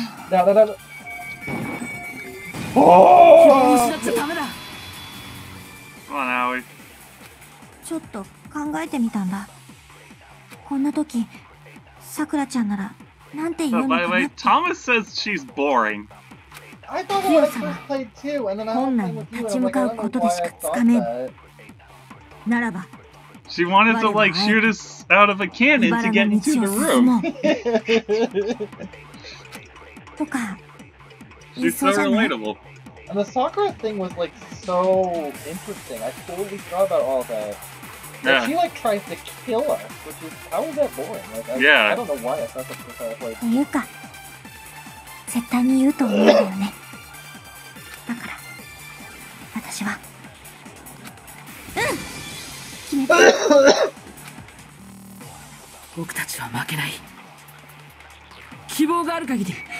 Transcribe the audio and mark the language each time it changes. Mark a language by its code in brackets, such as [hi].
[ja] だだだだ。おお。気を失っちゃダメだ。まあね、ちょっと考えてみたんだ。こんな時、さくらちゃんならなんて言うのかなって。 [en] By the way, Thomas says she's boring. I thought I was gonna play too, and then I was like, I don't know why I thought that. [ja] ならば。 [en] She wanted to like shoot us out of a cannon to get into the room. [ja] とか。 [en] She's so relatable. And the Sakura thing was like so interesting. I totally forgot about all that. Like, yeah. She like tries to kill us, which is how is that boring? Like, yeah. I don't know why I thought that was like. [ja] というか、絶対に言うと思うよね。だから、私は、僕たちは負けない。希望がある限り